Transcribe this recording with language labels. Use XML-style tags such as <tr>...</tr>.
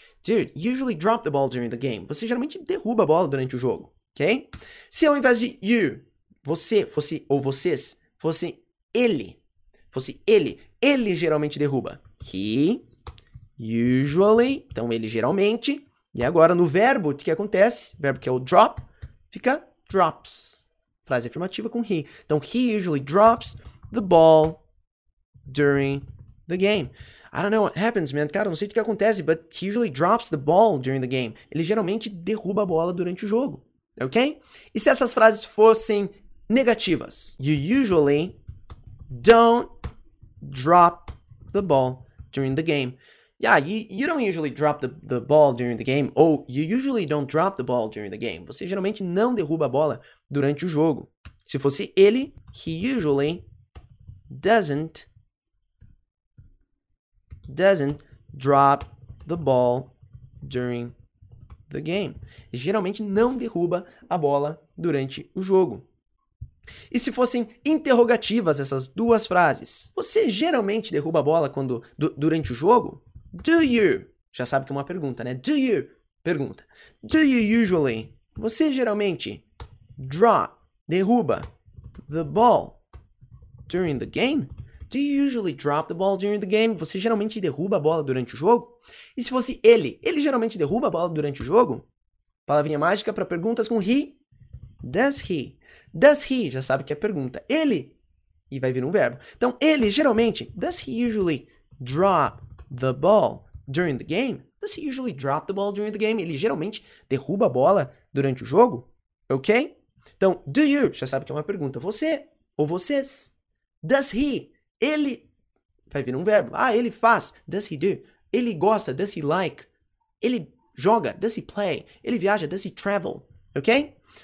<en>Dude, you usually drop the ball during the game.</en> <pt>Você geralmente derruba a bola durante o jogo. Ok? Se ao invés de you, você fosse, ou vocês, fosse ele. Fosse ele. Ele geralmente derruba.</pt> <en>He usually.</en> <pt>Então, ele geralmente. E agora, no verbo, o que acontece? O verbo que é o drop, fica drops. Frase afirmativa com he.</pt> <en>Então, he usually drops the ball during the game. I don't know what happens, man.</en> <pt>Cara, não sei o que acontece,</pt> <en>but he usually drops the ball during the game.</en> <pt>Ele geralmente derruba a bola durante o jogo. Ok? E se essas frases fossem negativas?</pt> <en>You usually don't drop the ball during the game. Yeah, you don't usually drop the ball during the game. Ou, you usually don't drop the ball during the game.</en> <pt>Você geralmente não derruba a bola durante o jogo. Se fosse ele,</pt> <en>he usually doesn't drop the ball during the game.</en> <pt>Ele geralmente não derruba a bola durante o jogo. E se fossem interrogativas essas duas frases? Você geralmente derruba a bola quando, durante o jogo?</pt> <en>Do you?</en> <pt>Já sabe que é uma pergunta, né? Do you? Pergunta.</pt> <en>Do you usually?</en> <pt>Você geralmente derruba</pt> <en>the ball during the game? Do you usually drop the ball during the game?</en> <pt>Você geralmente derruba a bola durante o jogo? E se fosse ele? Ele geralmente derruba a bola durante o jogo? Palavrinha mágica para perguntas com he.</pt> <en>Does he?</en> <pt>Does he? Já sabe que é pergunta. Ele? E vai vir um verbo. Então, ele geralmente.</pt> <en>Does he usually drop the ball during the game? Does he usually drop the ball during the game?</en> <pt>Ele geralmente derruba a bola durante o jogo? Ok? Então, do you? Já sabe que é uma pergunta. Você? Ou vocês? Does he? Ele? Vai vir um verbo. Ah, ele faz.</pt> <en>Does he do?</en> <pt>Ele gosta.</pt> <en>Does he like?</en> <pt>Ele joga.</pt> <en>Does he play?</en> <pt>Ele viaja.</pt> <en>Does he travel?</en> <pt>Ok?</pt>